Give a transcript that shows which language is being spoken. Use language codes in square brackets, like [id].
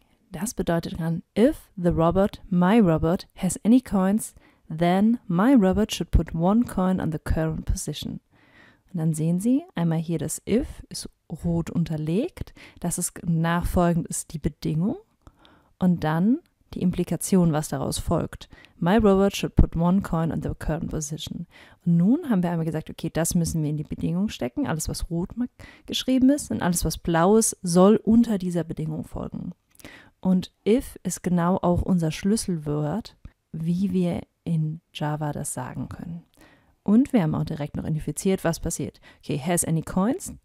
[de] Das bedeutet dann, [en] if the robot, my robot, has any coins, then my robot should put one coin on the current position. [de] Und dann sehen Sie einmal hier das if ist rot unterlegt, das ist nachfolgend ist die Bedingung und dann die Implikation, was daraus folgt. [en] My robot should put one coin on the current position. [de] Und nun haben wir einmal gesagt, okay, das müssen wir in die Bedingung stecken. Alles, was rot geschrieben ist und alles, was blau ist, soll unter dieser Bedingung folgen. Und if ist genau auch unser Schlüsselwort, wie wir in Java das sagen können. Und wir haben auch direkt noch identifiziert, was passiert. Okay, [en] has any coins?